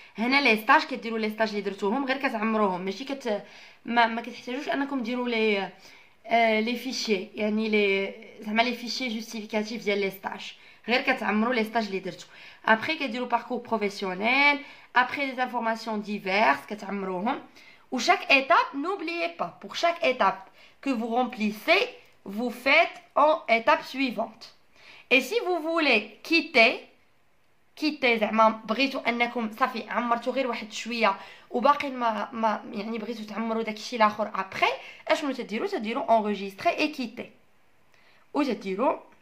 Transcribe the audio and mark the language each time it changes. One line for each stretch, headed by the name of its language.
Arabic: هنا لي ستاج كديروا لي ستاج اللي درتوهم غير كتعمروهم، ماشي ما كتحتاجوش انكم ديروا لي فيشي، يعني لي زعما لي فيشي جوستيفيكاتيف ديال لي ستاج، غير كتعمروا لي ستاج اللي درتو. ابري كديروا باركور بروفيسيونيل، ابري دي انفورماسيون ديفيرس كتعمروهم.
French: Ou chaque étape, n'oubliez pas, pour chaque étape que vous remplissez, vous faites en étape suivante. Et si vous voulez quitter,
Arabic: زعما بغيتو انكم صافي عمرتو غير واحد شويه وباقي ما يعني بغيتو تعمرو داكشي الاخر ابري، اشنو تديرو؟ تديرو انريجستري اي كيتي. Ou تديرو